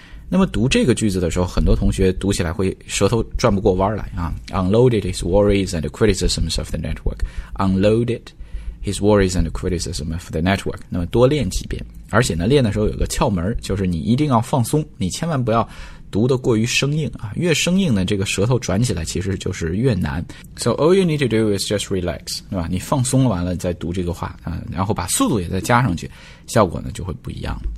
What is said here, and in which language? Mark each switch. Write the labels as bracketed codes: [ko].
[zh] 那么读这个句子的时候，很多同学读起来会舌头转不过弯来啊， [en] unloaded his worries and criticisms of the network， [zh] unloaded his worries and criticism of the network。那么多练几遍，而且呢练的时候有个窍门，就是你一定要放松，你千万不要读得过于生硬啊，越生硬呢这个舌头转起来其实就是越难。 [en] So all you need to do is just relax， [zh] 对吧？你放松完了再读这个话啊，然后把速度也再加上去，效果呢就会不一样。